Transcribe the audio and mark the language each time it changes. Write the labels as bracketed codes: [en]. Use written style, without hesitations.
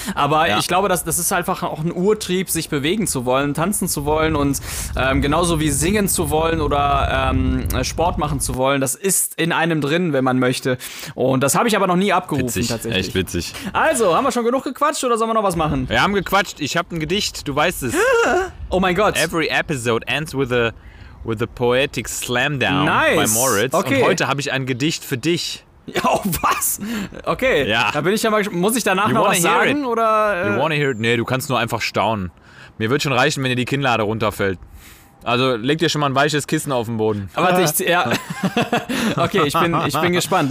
[de] Aber ich glaube, das ist einfach auch ein Urtrieb, sich bewegen zu wollen, tanzen zu wollen und genauso wie singen zu wollen oder Sport machen zu wollen. Das ist in einem drin, wenn man möchte. Und das habe ich aber noch nie abgerufen. Witzig, tatsächlich. Echt witzig. Also, haben wir schon genug gequatscht oder sollen wir noch was machen? Wir haben gequatscht. Ich habe ein Gedicht, du weißt es. Oh mein Gott. [en] Every episode ends with a poetic slamdown nice. By Moritz. Okay. [de] Und heute habe ich ein Gedicht für dich. Oh, was? Okay, ja. Da bin ich ja mal gespannt. Muss ich danach noch was sagen? Oder, [en] You wanna hear it? [de] Nee, du kannst nur einfach staunen. Mir wird schon reichen, wenn dir die Kinnlade runterfällt. Also leg dir schon mal ein weiches Kissen auf den Boden. Aber warte, okay, ich bin gespannt.